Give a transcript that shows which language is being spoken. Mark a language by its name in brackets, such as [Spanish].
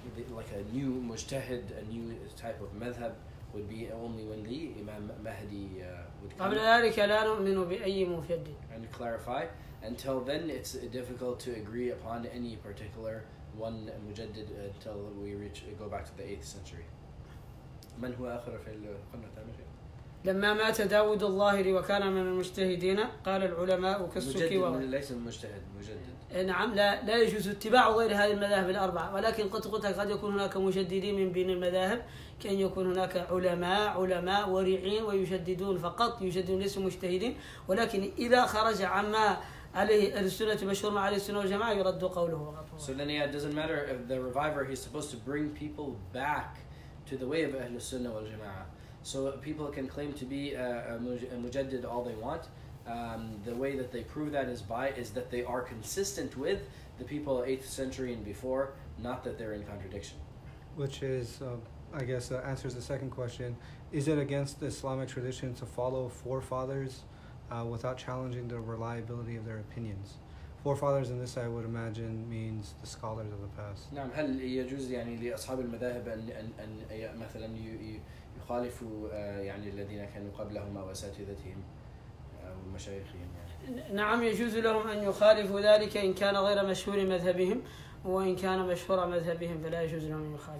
[English] Like a new mujtahid, a new type of madhab would be only when the Imam Mahdi would come. [Arabic] قبل ذلك لا نؤمن بأي مفدد. [English] And clarify, until then it's difficult to agree upon any particular one mujaddid until we reach go back to the 8th century. [Arabic] من هو آخر في القرن الثامن؟ لما مات داود الظاهري وكان من المجتهدين قال العلماء كالسكي مجدد ليس مجتهد مجدد نعم لا يجوز اتباع غير هذه المذاهب الأربعة ولكن قد يكون هناك مجددين من بين المذاهب كأن يكون هناك علماء ورعين ويجددون فقط يجددون ليسوا مجتهدين ولكن إذا خرج عما عليه السنة مشهور مع السنة والجماعة يرد قوله [English] So then yeah, it doesn't matter if the reviver he's supposed to bring people back to the way of أهل السنة والجماعة So people can claim to be a mujaddid all they want. The way that they prove that is that they are consistent with the people 8th century and before, not that they're in contradiction. Which is, I guess, answers the second question. Is it against the Islamic tradition to follow forefathers without challenging the reliability of their opinions? Forefathers in this, I would imagine, means the scholars of the past. [Arabic] نعم هل يجوز يعني لأصحاب المذاهب أن مثلاً يخالفوا يعني الذين كانوا قبلهم أو أساتذتهم أو مشايخهم يعني؟ نعم يجوز لهم أن يخالفوا ذلك إن كان غير مشهور مذهبهم وإن كان مشهور مذهبهم فلا يجوز لهم أن يخالفوا.